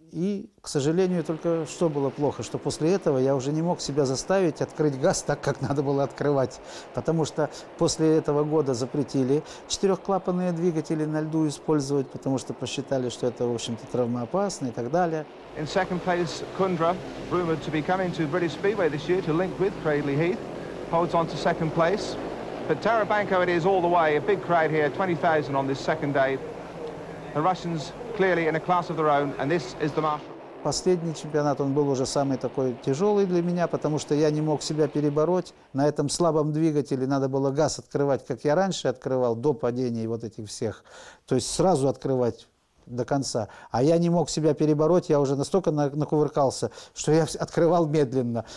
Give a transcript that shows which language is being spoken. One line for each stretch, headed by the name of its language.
Russian: И, к сожалению, только что было плохо, что после этого я уже не мог себя заставить открыть газ так, как надо было открывать. Потому что после этого года запретили четырехклапанные двигатели на льду использовать, потому что посчитали, что это, в общем-то, травмоопасно и так далее.
English: In second place, Kundra, rumored to be coming to British Speedway this year to link with Cradley Heath, holds on to second place. But Tarabanco it is all the way, a big crowd here, 20,000 on this second day. The Russians clearly in a class of their own, and this is the marshal.
Russian: Последний чемпионат, он был уже самый такой тяжелый для меня, потому что я не мог себя перебороть. На этом слабом двигателе надо было газ открывать, как я раньше открывал, до падений вот этих всех. То есть сразу открывать до конца. А я не мог себя перебороть, я уже настолько накувыркался, что я открывал медленно.